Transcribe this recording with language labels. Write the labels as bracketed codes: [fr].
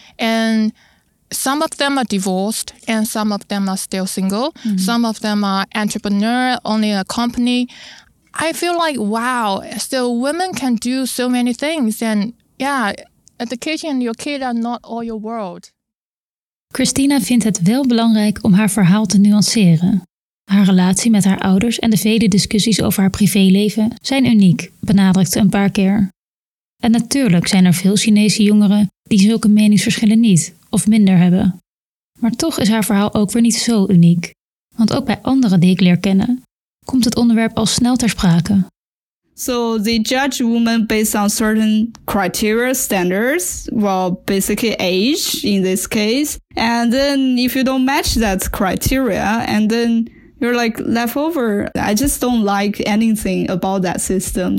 [en] And some of them are divorced and some of them are still single. Mm-hmm. Some of them are entrepreneur, owning a company. I feel like, wow, so women can do so many things. And yeah, education, your kid are not all your world. [nl] Christina vindt het wel belangrijk om haar verhaal te nuanceren. Haar relatie met haar ouders en de vele discussies over haar privéleven zijn uniek, benadrukt ze een paar keer. En natuurlijk zijn er veel Chinese jongeren die zulke meningsverschillen niet of minder hebben. Maar toch is haar verhaal ook weer niet zo uniek. Want ook bij anderen die ik leer kennen, komt het onderwerp al snel ter sprake. [en] So they judge women based on certain criteria, standards, well, basically age in this case. And then if you don't match that criteria, and then you're like left over. I just don't like anything about that system.